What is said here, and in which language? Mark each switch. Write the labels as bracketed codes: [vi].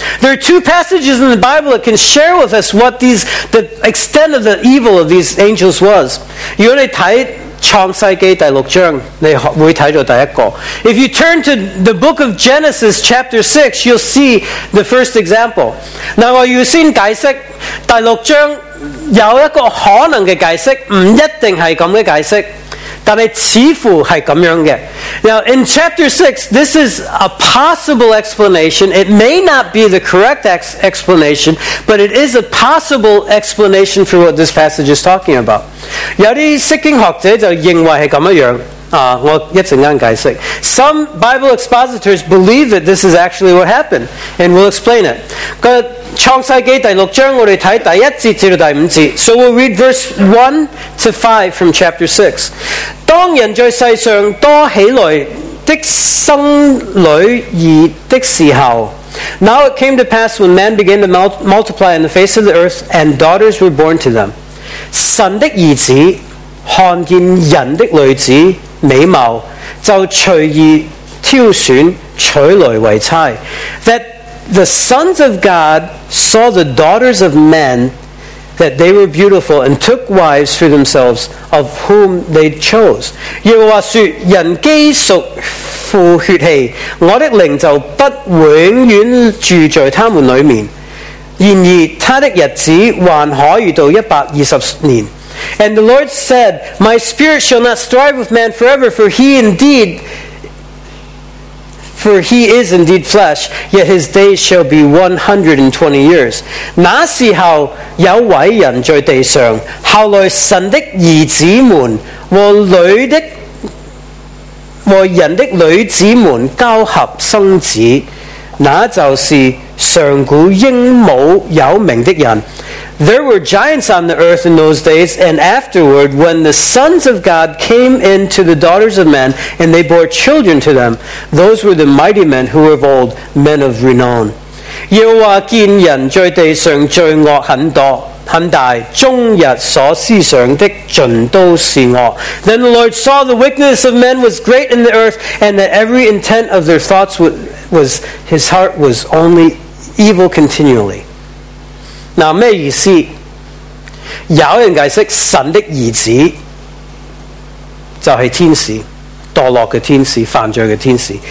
[en] There are two passages in the Bible that can share with us what the extent of the evil of these angels was. [zh] 如果你看创世纪第六章，你会看到第一个。 [en] If you turn to the book of Genesis chapter 6, you'll see the first example. [zh] 那我要先解释第六章有一个可能的解释，不一定是这样的解释，但是似乎是这样的。 [en] Now in chapter 6, this is a possible explanation. It may not be the correct explanation, but it is a possible explanation for what this passage is talking about. [zh] 有些释经学者就认为是这样，我一阵间解释。 [en] Some Bible expositors believe that this is actually what happened, and we'll explain it. [zh] 创世纪第六章，我们看第一节至到第五节。 [en] So we'll read verse 1 to 5 from chapter 6. [zh] 当人在世上多起来的生女儿的时候。 [en] Now it came to pass when man began to multiply on the face of the earth, and daughters were born to them. [zh] 神的儿子看见人的女子美貌，就随意挑选娶来为妻。 [en] That the sons of God saw the daughters of men, that they were beautiful, and took wives for themselves of whom they chose. [zh] 耶和华说：人既属乎血气，我的灵就不永远住在他们里面。然而他的日子还可以到120年。 [en] And the Lord said, My spirit shall not strive with man forever, for he is indeed flesh, yet his days shall be 120 years. [zh] 那时候有伟人在地上，后来神的儿子们和人的女子们交合生子，那就是上古英武有名的人。 [en] There were giants on the earth in those days, and afterward, when the sons of God came in to the daughters of men, and they bore children to them, those were the mighty men who were of old, men of renown. [zh] 耶和华见人在地上罪恶很大，终日所思想的尽都是恶。 [en] Then the Lord saw the wickedness of men was great in the earth, and that every intent of their thoughts was his heart was only evil continually. [zh] 那什么意思？有人解释神的儿子就是天使，堕落的天使，犯罪的天使。